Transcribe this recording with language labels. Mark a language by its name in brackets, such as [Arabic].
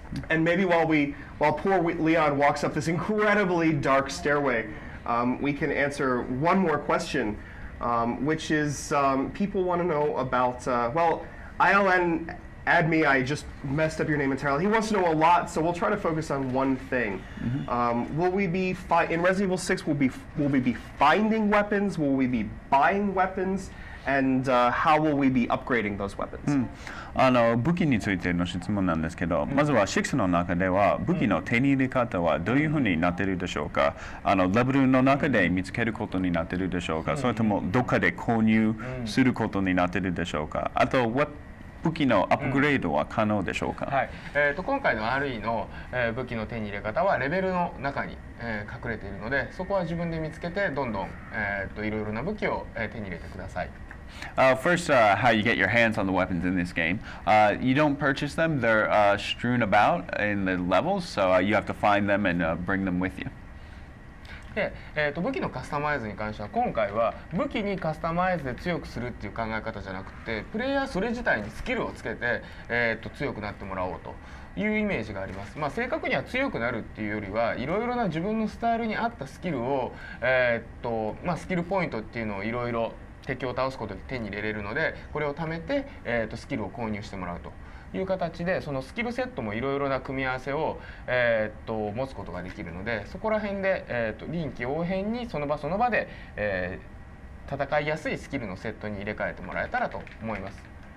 [English] And maybe while poor Leon walks up this incredibly dark stairway, we can answer one more question, which is people want to know about, ILN Admi, I just messed up your name entirely. He wants to know a lot, so we'll try to focus on one thing. Mm-hmm. Will we be, in Resident Evil 6, will we be finding weapons? Will we be buying weapons? And how will we be upgrading those weapons? [Japanese] 武器についての質問なんですけど、まずは6の中では武器の手に入れ方はどういうふうになっているでしょうか。レベルの中で見つけることになっているでしょうか。それともどっかで購入することになっているでしょうか。あと、武器のアップグレードは可能でしょうか。はい。今回の RE の、武器の手に入れ方はレベルの中に、隠れているので、そこは自分で見つけてどんどん、いろいろな武器を、手に入れてください。 [English] First, how you get your hands on the weapons in this game. You don't purchase them, they're strewn about in the levels, so you have to find them and bring them with you. [Japanese] で、武器のカスタマイズに関しては、今回は武器にカスタマイズで強くするっていう考え方じゃなくて、プレイヤーそれ自体にスキルをつけて、強くなってもらおうというイメージがあります。まあ、正確には強くなるっていうよりは、いろいろな自分のスタイルに合ったスキルを、スキルポイントっていうのをいろいろ敵を倒すことで手に入れれるので、これを貯めて、スキルを購入してもらうという形で、そのスキルセットもいろいろな組み合わせを、持つことができるので、そこら辺で、臨機応変にその場その場で、戦いやすいスキルのセットに入れ替えてもらえたらと思います。